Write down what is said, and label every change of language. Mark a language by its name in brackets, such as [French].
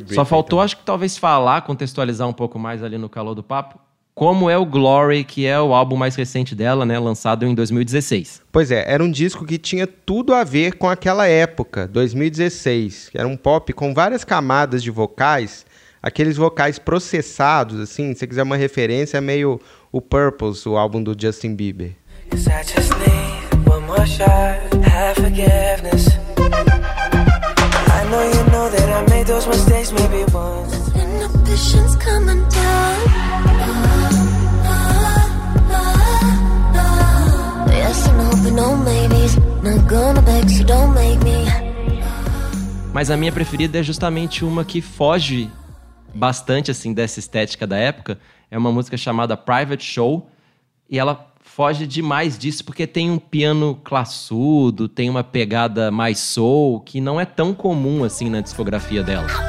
[Portuguese] breathing. Só faltou, então, acho que talvez falar, contextualizar um pouco mais ali no calor do papo, como é o Glory, que é o álbum mais recente dela, né, lançado em 2016. Pois é, era um disco que tinha tudo a ver com aquela época, 2016, que era um pop com várias camadas de vocais, aqueles vocais processados, assim, se você quiser uma referência, é meio o Purpose, o álbum do Justin Bieber. [English] Have forgiveness. I know you know that I made. made those mistakes maybe once. Inhibitions coming down. Yes and hoping no maybes. Not gonna beg, so don't make me. [Portuguese] Mas a minha preferida é justamente uma que foge bastante, assim, dessa estética da época. É uma música chamada Private Show. E ela foge demais disso, porque tem um piano classudo, tem uma pegada mais soul, que não é tão comum, assim, na discografia dela.